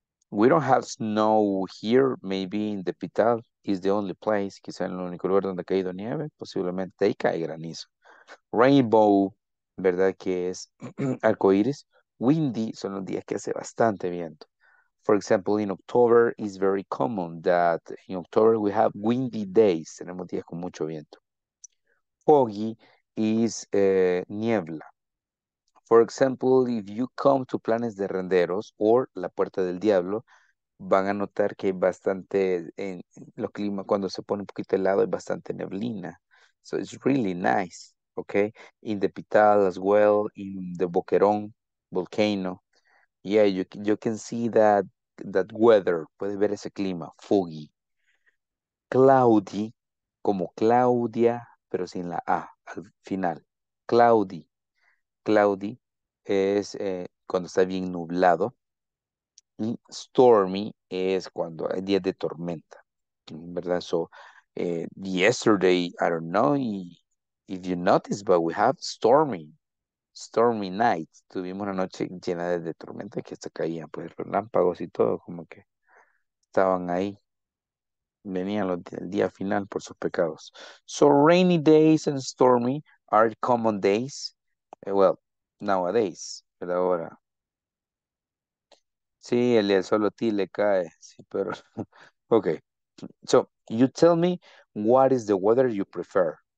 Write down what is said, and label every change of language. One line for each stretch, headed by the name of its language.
English: We don't have snow here, maybe in the capital is the only place,
Spanish: quizá en el único lugar donde ha caído nieve, posiblemente ahí cae granizo. Rainbow, ¿verdad?, que es arcoíris. Windy son los días que hace bastante viento.
English: For example, in October, it's very common that in October we have windy days.
Spanish: Tenemos días con mucho viento. Foggy is niebla.
English: For example, if you come to
Spanish: Planes de Renderos or La Puerta del Diablo, van a notar que hay bastante, en los climas, cuando se pone un poquito helado, hay bastante neblina.
English: So it's really nice, okay? In the Pital as well, in the Boquerón. Volcano. Yeah, you can see that weather.
Spanish: Puedes ver ese clima.
English: Foggy. Cloudy.
Spanish: Como Claudia, pero sin la A al final. Cloudy. Cloudy es cuando está bien nublado. Y stormy es cuando hay días de tormenta. ¿Verdad?
English: So, yesterday, I don't know if you noticed, but we have stormy. Stormy night.
Spanish: Tuvimos una noche llena de tormenta que hasta caían pues relámpagos y todo, como que estaban ahí. Venían el día final por sus pecados.
English: So rainy days and stormy are common days. Well, nowadays,
Spanish: pero ahora. Sí, el día solo ti le cae. Sí, pero. Okay.
English: So you tell me what is the weather you prefer.